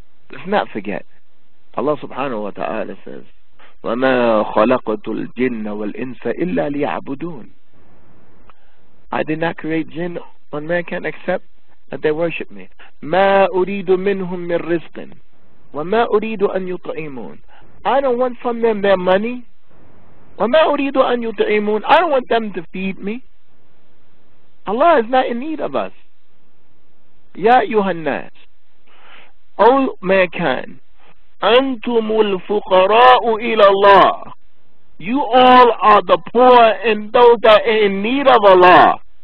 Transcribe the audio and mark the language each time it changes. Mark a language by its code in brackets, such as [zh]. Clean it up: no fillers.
[en] Let's not forget. Allah subhanahu wa ta'ala says, [ar] وَمَا خَلَقْتُ الْجِنَّ وَالْإِنسَ إِلَّا لِيَعْبُدُونَ [en] I did not create jinn when man can't accept that they worship me. [ar] مَا أُرِيدُ مِنْهُم مِّن رِزْقٍ وَمَا أُرِيدُ أَن يُطْعِمُونَ [en] I don't want from them their money. [ar] وَمَا أُرِيدُ أَن يُطْعِمُونَ [en] I don't want them to feed me. Allah is not in need of us. [ar] يَا أَيُّهَا النَّاسِ [en] O mankind, [ar] أَنْتُمُ الْفُقَرَاءُ إِلَى اللَّهِ [en] You all are the poor and those that are in need of Allah.